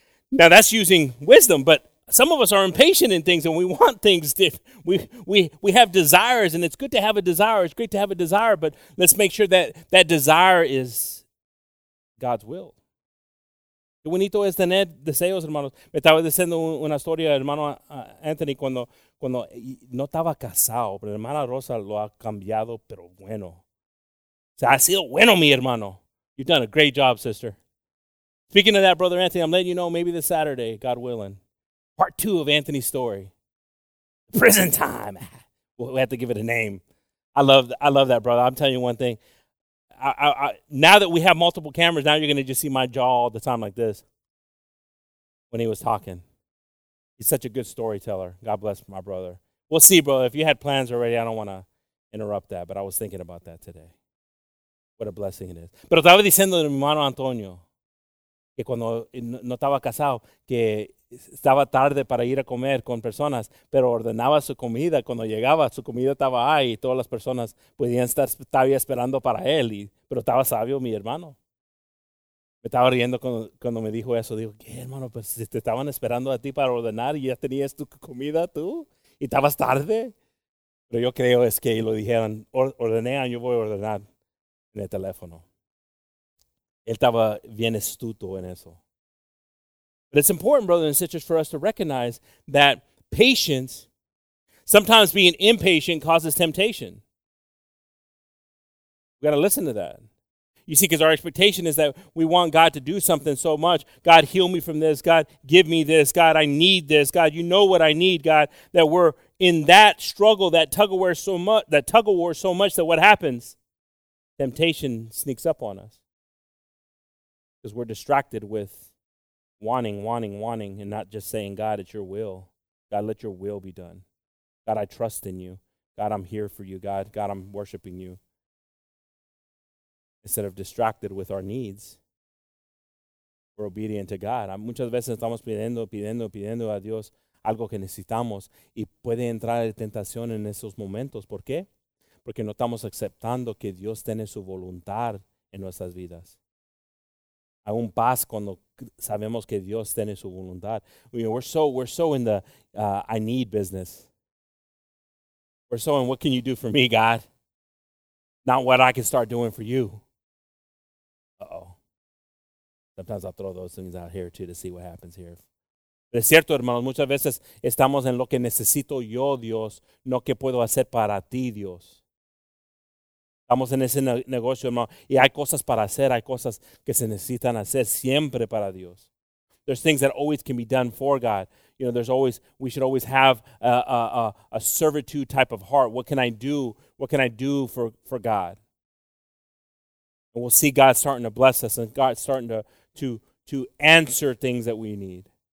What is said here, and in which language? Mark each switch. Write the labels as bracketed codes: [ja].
[en] Now, that's using wisdom, but some of us are impatient in things and we want things. We have desires, and it's good to have a desire. It's great to have a desire, but let's make sure that desire is God's will. [es] Qué bonito es tener deseos, hermanos. Me estaba diciendo una historia, hermano Anthony, cuando no estaba casado, pero hermana Rosa lo ha cambiado, pero bueno. O sea, ha sido bueno, mi hermano. [en] You've done a great job, sister. Speaking of that, brother Anthony, I'm letting you know maybe this Saturday, God willing, part two of Anthony's story. Prison time. We have to give it a name. I love that, brother. I'm telling you one thing. Now that we have multiple cameras, now you're going to just see my jaw all the time like this when he was talking. He's such a good storyteller. God bless my brother. We'll see, bro. If you had plans already, I don't want to interrupt that, but I was thinking about that today. What a blessing it is. [es] Pero estaba diciendo de mi hermano Antonio que cuando no estaba casado, que estaba tarde para ir a comer con personas, pero ordenaba su comida. Cuando llegaba, su comida estaba ahí y todas las personas podían estar todavía esperando para él. Pero estaba sabio mi hermano. Me estaba riendo cuando me dijo eso. Digo, ¿qué, hermano? Pues si te estaban esperando a ti para ordenar y ya tenías tu comida tú y estabas tarde. Pero yo creo es que lo dijeron, ordenean, yo voy a ordenar en el teléfono. Él estaba bien astuto en eso. [en] But it's important, brothers and sisters, for us to recognize that patience, sometimes being impatient, causes temptation. We got to listen to that. You see, because our expectation is that we want God to do something so much. God, heal me from this. God, give me this. God, I need this. God, you know what I need, God, that we're in that struggle, that tug of war so much, that what happens? Temptation sneaks up on us because we're distracted with wanting, and not just saying, God, it's your will. God, let your will be done. God, I trust in you. God, I'm here for you. God, I'm worshiping you. Instead of distracted with our needs, we're obedient to God. [es] Muchas veces estamos pidiendo a Dios algo que necesitamos y puede entrar la tentación en esos momentos. ¿Por qué? Porque no estamos aceptando que Dios tiene su voluntad en nuestras vidas. Hay un paz cuando sabemos que Dios tiene su voluntad. [en] You know, we're so in the I need business. We're so in what can you do for me, God? Not what I can start doing for you. Uh-oh. Sometimes I'll throw those things out here too to see what happens here. [es] Pero es cierto, hermanos. Muchas veces estamos en lo que necesito yo, Dios, no que puedo hacer para ti, Dios. Estamos en ese negocio, hermano, y hay cosas para hacer, hay cosas que se necesitan hacer siempre para Dios. [en] There's things that always can be done for God. You know, we should always have a servitude type of heart. What can I do? What can I do for God? And we'll see God starting to bless us and God starting to answer things that we need.